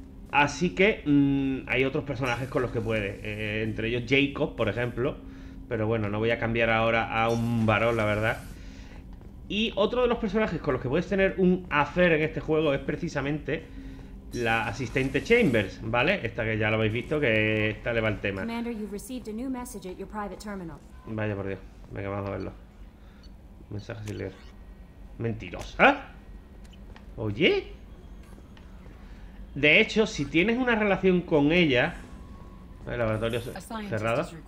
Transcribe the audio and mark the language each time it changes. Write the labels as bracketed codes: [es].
[es] Así que hay otros personajes con los que puede, entre ellos Jacob, por ejemplo. Pero bueno, no voy a cambiar ahora a un varón, la verdad. Y otro de los personajes con los que puedes tener un affair en este juego es precisamente la asistente Chambers, ¿vale? Esta que ya lo habéis visto, que esta le va el tema. [en] Commander, you've received a new message at your private terminal. [es] Vaya por Dios, venga, vamos a verlo. Mensaje sin leer. Mentirosa. Oye. De hecho, si tienes una relación con ella... El laboratorio cerrado.